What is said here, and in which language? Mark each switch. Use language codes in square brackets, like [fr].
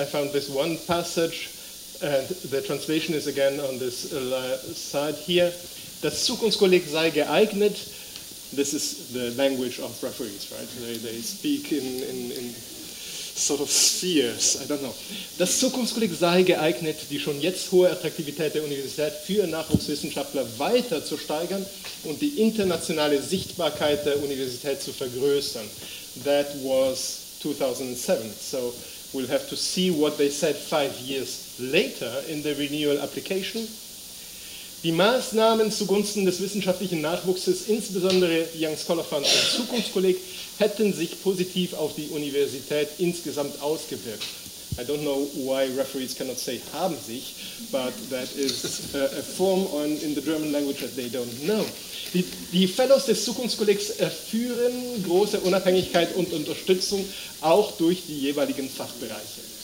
[en] I found this one passage, and the translation is again on this side here. [de] Das Zukunftskolleg sei geeignet. [en] This is the language of referees, right? They speak in sort of spheres, I don't know. [de] Das Zukunftskolleg sei geeignet, die schon jetzt hohe Attraktivität der Universität für Nachwuchswissenschaftler weiter zu steigern und die internationale Sichtbarkeit der Universität zu vergrößern. [en] That was 2007. So we'll have to see what they said 5 years later in the renewal application. [de] Die Maßnahmen zugunsten des wissenschaftlichen Nachwuchses, insbesondere Young Scholar Fund und Zukunftskolleg, hätten sich positiv auf die Universität insgesamt ausgewirkt. [en] I don't know why referees cannot say haben sich, but that is a form on, in the German language that they don't know. [de] Die Fellows des Zukunftskollegs erführen große Unabhängigkeit und Unterstützung auch durch die jeweiligen Fachbereiche.